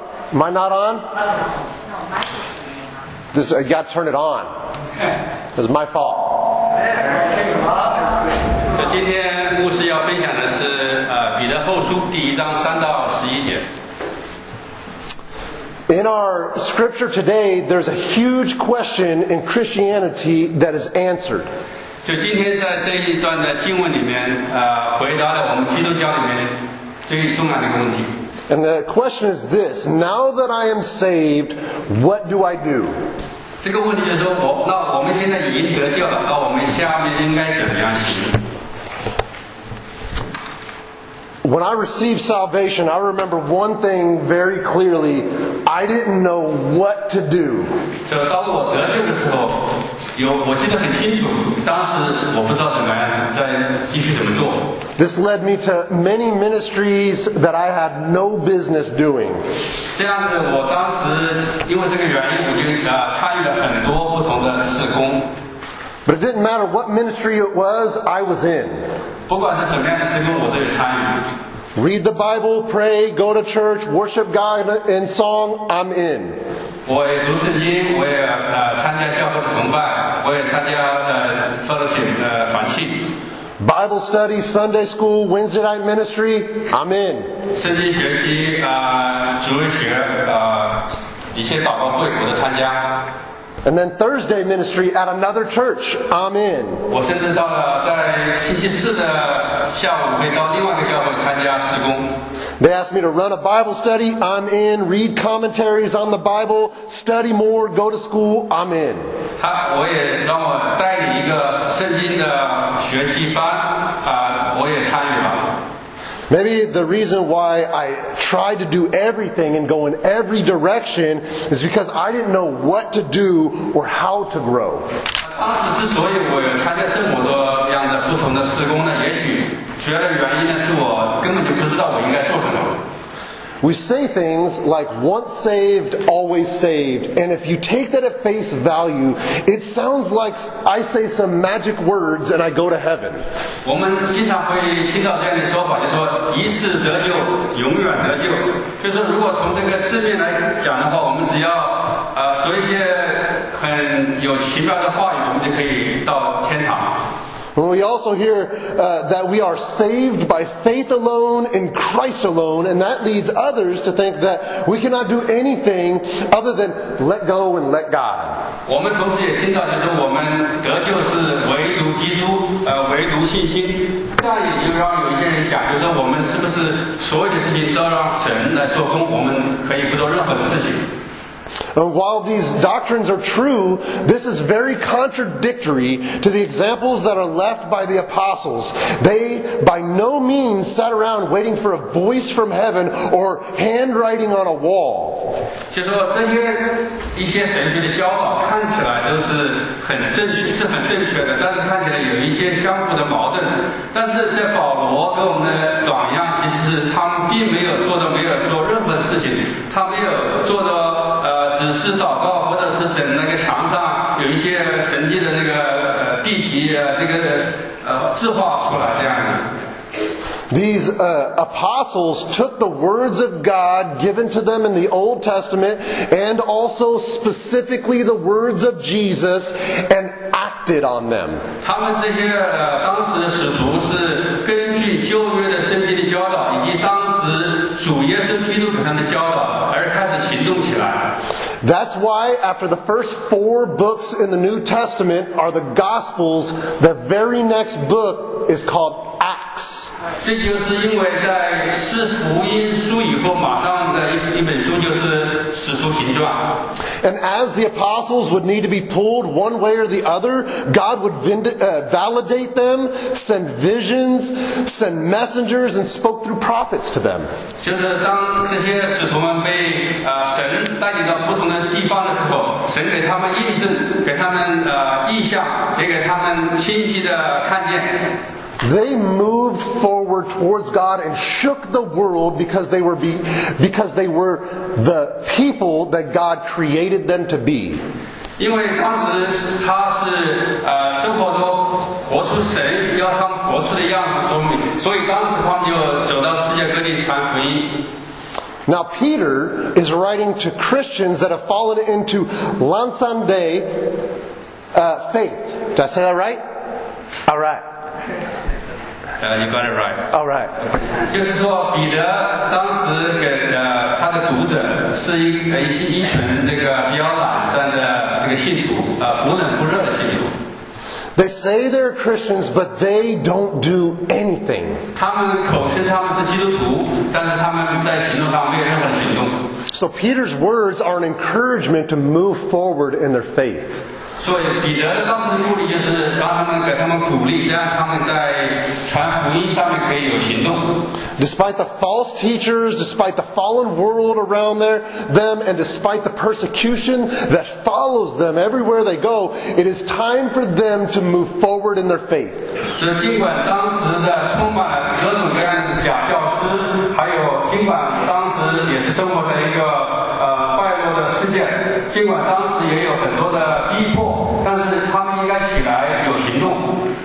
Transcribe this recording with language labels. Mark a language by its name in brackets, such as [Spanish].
[English] Am I not on? This, you got to turn it on. It's my fault. [Chinese] 今天牧师要分享的是彼得后书第一章三到十一节。 [English] In our scripture today, there's a huge question in Christianity that is answered. [Chinese] 就今天在这一段的经文里面，回答了我们基督教里面最重要的一个问题。 [English] And the question is this, now that I am saved, what do I do? [Chinese] 这个问题就是说，那我们现在已经得救了，那我们下面应该怎么样行？ [English] When I received salvation, I remember one thing very clearly. I didn't know what to do. [Chinese] 就当我得救的时候，我记得很清楚，当时我不知道怎么做。 [English] This led me to many ministries that I had no business doing. [Chinese] 这样子，我当时因为这个原因，我就参与了很多不同的事工。 [English] But it didn't matter what ministry it was, I was in. [Chinese] 不管是什么样的事工，我都有参与。 [English] Read the Bible, pray, go to church, worship God in song, I'm in. [Chinese] 我也读圣经，我也参加教会崇拜，我也参加fellowship团契。 [English] Bible study, Sunday school, Wednesday night ministry, I'm in. [Chinese] 圣经学习主日学一些祷告会，我都参加。 [English] And then Thursday ministry at another church, I'm in. [Chinese] 我甚至到了在星期四的下午会到另外一个教会参加事工。 [English] They asked me to run a Bible study, I'm in. Read commentaries on the Bible, study more, go to school, I'm in. [Chinese] 我也让我带领一个圣经的学习班，我也参与了。 [English] Maybe the reason why I tried to do everything and go in every direction is because I didn't know what to do or how to grow. [Chinese] 当时之所以我参加这么多样的不同的事工呢，也许主要的原因是我根本就不知道我应该做什么。 [English] We say things like once saved, always saved. And if you take that at face value, it sounds like I say some magic words and I go to heaven. [Chinese] 我们经常会听到这样的说法，就说一次得救，永远得救。就是如果从这个字面来讲的话，我们只要说一些很有奇妙的话语，我们就可以到天堂。 [English] But we also hear that we are saved by faith alone in Christ alone, and that leads others to think that we cannot do anything other than let go and let God. [Chinese] 我们同时也听到，就是我们得救是唯独基督，唯独信心。这样也就让有一些人想，就是我们是不是所有的事情都让神来做工，我们可以不做任何的事情。 [English] And while these doctrines are true, this is very contradictory to the examples that are left by the apostles. They by no means sat around waiting for a voice from heaven or handwriting on a wall. [Chinese] 就说这些一些神学的教导看起来都是很正确，是很正确的，但是看起来有一些相互的矛盾。但是在保罗跟我们的榜样，其实是他们并没有做到没有做任何事情，他没有做到。只是祷告，或者是等那个墙上有一些神迹的那个地级这个字画出来这样子。 [English] These apostles took the words of God given to them in the Old Testament and also specifically the words of Jesus and acted on them. [Chinese] 他们这些当时的使徒是根据旧约的圣经的教导以及当时主耶稣基督给他们的教导而开始行动起来。 [English] That's why after the first four books in the New Testament are the Gospels, the very next book is called Acts. [Chinese] 这就是因为在四福音书以后马上的一本书就是使徒行传。 [English] And as the apostles would need to be pulled one way or the other, God would validate them, send visions, send messengers, and spoke through prophets to them. [Chinese] 就是当这些使徒们被神带领到不同的地方的时候，神给他们异象，给他们异象，也给他们清晰的看见。 [English] They moved forward towards God and shook the world because they were the people that God created them to be. [Chinese] 因为当时他是生活中活出神要他们活出的样子，所以当时他们就走到世界各地传福音。 [English] Now Peter is writing to Christians that have fallen into Lansande faith. Did I say that right? All right. You got it right. All right. [Chinese] 就是说彼得当时给的他的读者是一群这个比较懒散的这个信徒，不冷不热的信徒。 [English] They say they're Christians, but they don't do anything. [Chinese] 他们口称他们是基督徒，但是他们在行动上没有任何行动。 [English] So Peter's words are an encouragement to move forward in their faith. [Chinese] 所以彼得当时的目的就是让他们给他们鼓励，让他们在传福音上面可以有行动。 [English] Despite the false teachers, despite the fallen world around them, and despite the persecution that follows them everywhere they go, it is time for them to move forward in their faith. [Chinese] 所以尽管当时的充满了各种各样的假教师，还有尽管当时也是生活在一个败落的世界，尽管当时也有很多的逼迫，但是他们应该起来有行动。